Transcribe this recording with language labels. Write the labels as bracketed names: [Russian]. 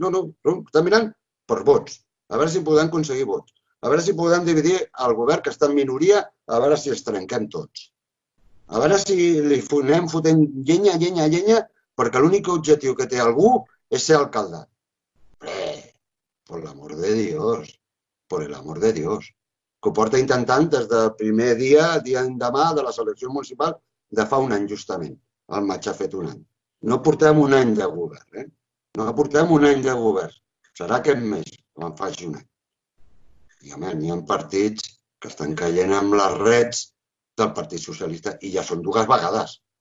[Catalan] No, no, no, estan mirant per vots. A veure si podem aconseguir vots. A veure si podem dividir el govern que està en minoria, a veure si es trenquem tots. A veure si li anem fotent llenya, llenya, llenya, perquè l'únic objectiu que té algú és ser alcalde. [Spanish] Por l'amor de Dios, por el amor de Dios. [Catalan] Que ho porta intentant des del primer dia, dia endemà de la selecció municipal de fa un any, justament. El maig ha fet un any. No portem un any de govern, eh? No portem un any de govern. Serà aquest mes, quan faci un any. I, home, n'hi ha partits que estan caient amb les redes del Partit Socialista i ja són dues vegades.